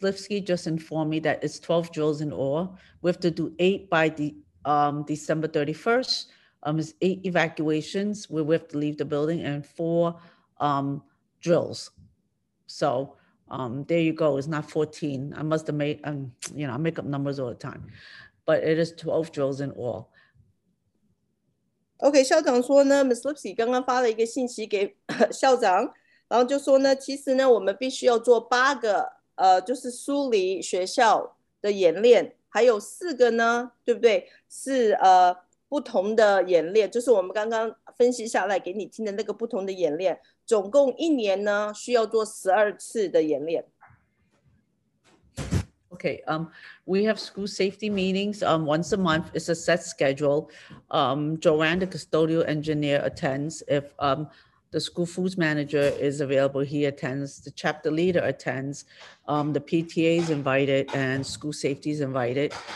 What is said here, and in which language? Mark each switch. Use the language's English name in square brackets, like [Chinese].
[English] Lipsky just informed me that it's 12 drills in all. We have to do 8 by December 31st. It's 8 evacuations where we have to leave the building and 4 drills. So there you go. It's not 14. I must have made, I make up numbers all the time. But it is 12 drills in all. [Chinese] Okay, 校长说呢 Ms. Lipsky 刚刚发了一个信息给校长，然后就说呢其实呢我们必须要做八个就是梳理学校的演练，还有四个呢对不对是不同的演练，就是我们刚刚分析下来给你听的那个不同的演练，总共一年呢需要做12次的演练。 [English] OK， we have school safety meetings once a month. It's a set schedule. Joanne, the custodial engineer, attends. If the school foods manager is available, he attends. The chapter leader attends. The PTA is invited and school safety is invited.